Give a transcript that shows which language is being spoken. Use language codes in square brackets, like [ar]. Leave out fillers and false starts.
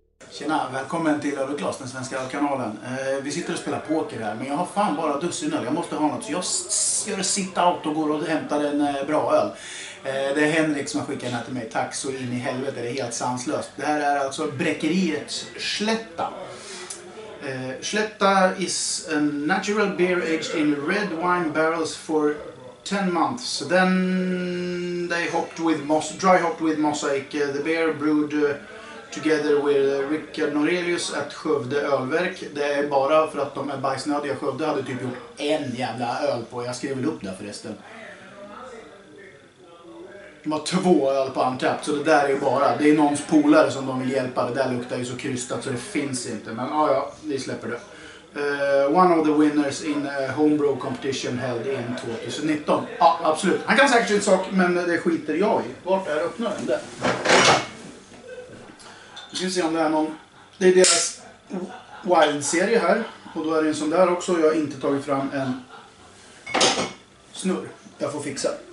[sv] Tjena, välkommen till Överklass, den svenska kanalen. Vi sitter och spelar poker här, men jag har fan bara dussin öl. Jag måste ha något, så jag gör sit-out och går och hämtar en bra öl. Det är Henrik som har skickat den här till mig. Tack så in i helvete, det är helt sanslöst. Det här är alltså Bräckeriet Schlätta. [en] Schlätta is a natural beer aged in red wine barrels for 10 months. Then they hopped with moss, dry hopped with mosaic. The beer brewed together with Rickard Norelius at Skövde Ölverk. [sv] Det är bara för att de är bajsnödiga. Skövde hade typ gjort en jävla öl på. Jag skrev väl upp det förresten. De har två öl på Untappd, så det där är ju bara. Det är någons polare som de vill hjälpa. Det där luktar ju så krystat så det finns inte. Men ah, ja, vi släpper det. [en] One of the winners in a homebrew competition held in 2019. [sv] Ja, ah, absolut. Han kan säkert göra en sak, men det skiter jag i. Vart är öppnaren? Där. Vi ska se om det är någon. Det är deras Wild-serie här. Och då är det en sån där också. Jag har inte tagit fram en snurr. Jag får fixa.